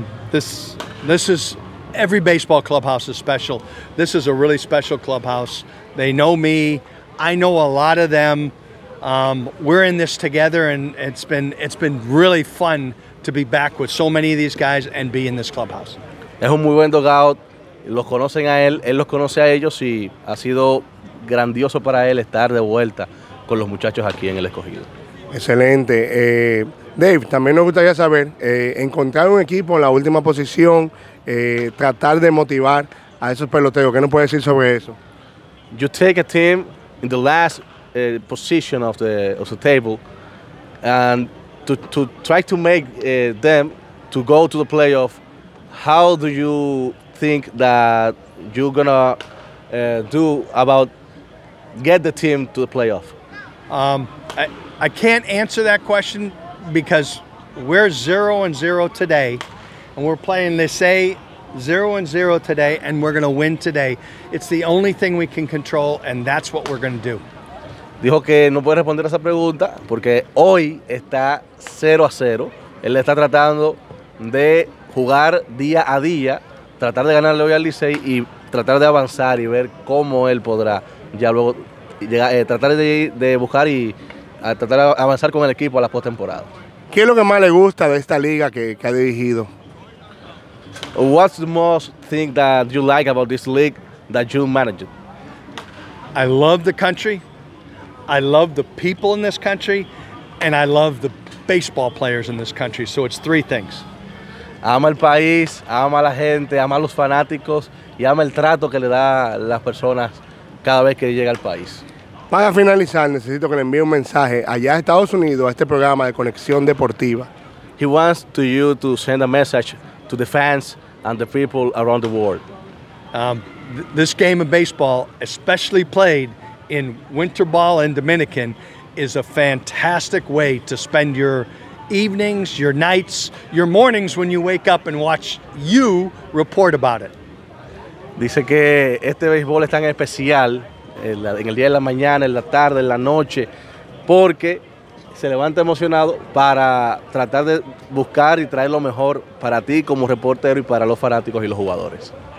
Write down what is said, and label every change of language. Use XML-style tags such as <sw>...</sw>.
<en>This is every baseball clubhouse is special. This is a really special clubhouse. They know me. I know a lot of them. We're in this together, and it's been really fun to be back with so many of these guys and be in this clubhouse.</en> <es>Es un muy buen dugout. Los conocen a él. Él los conoce a ellos, y ha sido grandioso para él estar de vuelta con los muchachos aquí en el Escogido. Excelente. Dave, también nos gustaría saber, encontrar un equipo en la última posición, tratar de motivar a esos peloteros. ¿Qué nos puede decir sobre eso?</es> <en>You take a team in the last position of the table and to try to make them to go to the playoff. How do you think that you're going to do about get the team to the playoff? I can't answer that question because we're 0-0 today, and we're playing, they say, 0-0 today, and we're going to win today. It's the only thing we can control, and that's what we're going to do.</en> <es>Dijo que no puede responder a esa pregunta porque hoy está 0-0. Él está tratando de jugar día a día, tratar de ganarle hoy al Licey y tratar de avanzar y ver cómo él podrá ya luego llegar, tratar de buscar y a tratar de avanzar con el equipo a la postemporada. ¿Qué es lo que más le gusta de esta liga que ha dirigido?</es> <en>What's the most thing that you like about this league that you manage? I love the country. I love the people in this country, and I love the baseball players in this country. So it's three things.</en> <es>Ama el país, ama la gente, ama los fanáticos y ama el trato que le da las personas cada vez que llega al país. Para finalizar, necesito que le envíe un mensaje allá a Estados Unidos a este programa de Conexión Deportiva.</es> <en>He wants to you to send a message to the fans and the people around the world. This game of baseball, especially played in winter ball in Dominican, is a fantastic way to spend your evenings, your nights, your mornings when you wake up and watch you report about it.</en> <es>Dice que este béisbol es tan especial en el día de la mañana, en la tarde, en la noche, porque se levanta emocionado para tratar de buscar y traer lo mejor para ti como reportero y para los fanáticos y los jugadores.</es>